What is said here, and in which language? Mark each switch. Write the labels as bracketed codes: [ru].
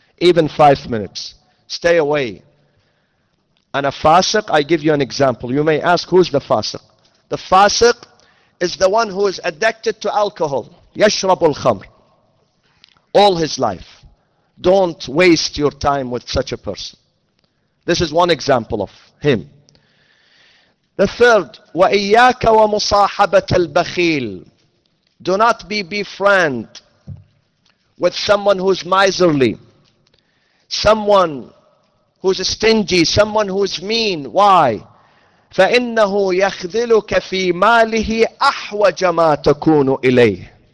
[en] Even 5 minutes. Stay away. And a fasiq, I give you an example. You may ask, who's the fasiq? The fasiq is the one who is addicted to alcohol. [ar] يشرب الخمر. [en] All his life. Don't waste your time with such a person. This is one example of him. The third, [ar] وَإِيَّاكَ وَمُصَاحَبَةَ الْبَخِيلِ. [en] Do not be befriend with someone who's miserly, someone who's stingy, someone who's mean. [ar] Why? فَإِنَّهُ يَخْذِلُكَ فِي مَالِهِ أَحْوَجَ مَا تَكُونُ إِلَيْهِ.